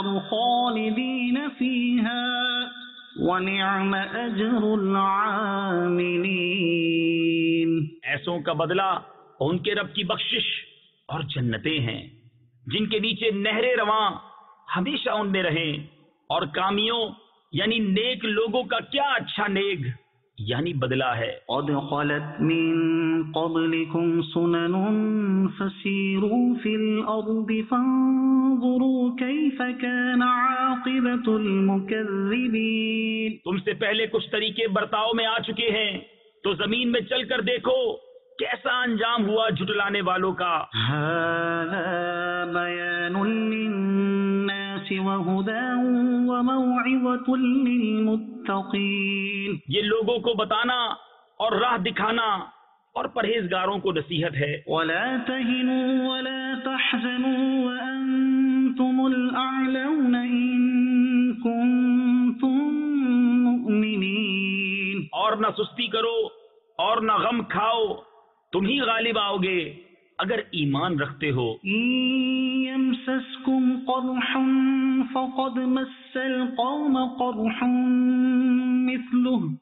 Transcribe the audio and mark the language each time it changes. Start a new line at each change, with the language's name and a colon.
Arabic: خالدين فيها ونعم أجر العاملين.
Urdu: ایسوں کا بدلہ ان کے رب کی بخشش اور جنتیں ہیں جن کے نیچے نہریں رواں ہمیشہ ان میں رہیں. اور کامیوں یعنی نیک لوگوں کا کیا اچھا نیک یعنی بدلہ ہے.
Arabic: قد خلت من قبلكم سنن فسیروا فی الارض فانظروا کیف کان عاقبت المکذبین.
Urdu: تم سے پہلے کچھ طریقے برتاؤ میں آ چکے ہیں تو زمین میں چل کر دیکھو کیسا انجام ہوا جھٹلانے والوں کا.
Arabic: هذا بیان للناس وهدى وموعظة للمتقين.
Urdu: یہ لوگوں کو بتانا اور راہ دکھانا اور پرہیزگاروں کو نصیحت ہے.
Arabic: ولا تهنوا ولا تحزنوا وانتم الاعلون ان كنتم مؤمنين.
Urdu: اور نہ سستی کرو اور نہ غم کھاؤ, تم ہی غالب آو گے اگر ایمان رکھتے ہو.
Arabic: إن يمسسكم قرح فقد مس القوم قرح مثله.